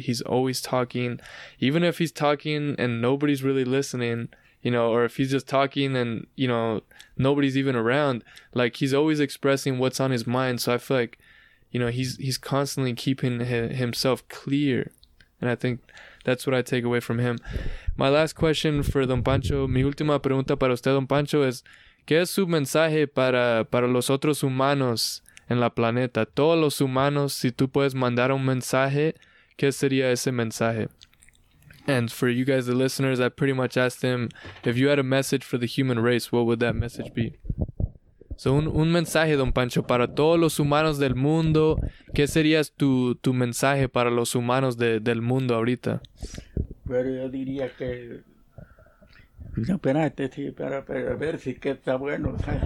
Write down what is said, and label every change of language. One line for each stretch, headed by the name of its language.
English: He's always talking. Even if he's talking and nobody's really listening, you know, or if he's just talking and, you know, nobody's even around, like, he's always expressing what's on his mind. So I feel like, you know, he's constantly keeping himself clear. And I think that's what I take away from him. My last question for Don Pancho,
Spanish: mi última pregunta para usted, Don Pancho, es, ¿qué es su mensaje para los otros humanos en la planeta? Todos los humanos, si tú puedes mandar un mensaje, ¿qué sería ese mensaje?
English: And for you guys, the listeners, I pretty much asked him, if you had a message for the human race, what would that message be?
Spanish: So un mensaje, Don Pancho, para todos los humanos del mundo, ¿qué sería tu mensaje para los humanos del mundo ahorita? Pero yo diría que... No, espérate, sí, pero a ver si que está bueno.